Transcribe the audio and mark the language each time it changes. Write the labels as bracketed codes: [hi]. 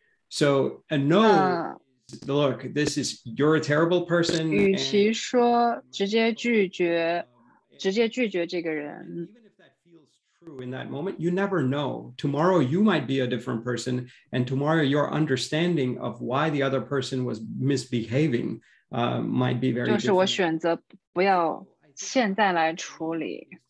[en] So a no look, this is you're a terrible person. [zh] 与其说直接拒绝这个人， [en] even if that feels true in that moment, you never know. Tomorrow you might be a different person, and tomorrow your understanding of why the other person was misbehaving might be very different. [zh] 就是我选择不要现在来处理。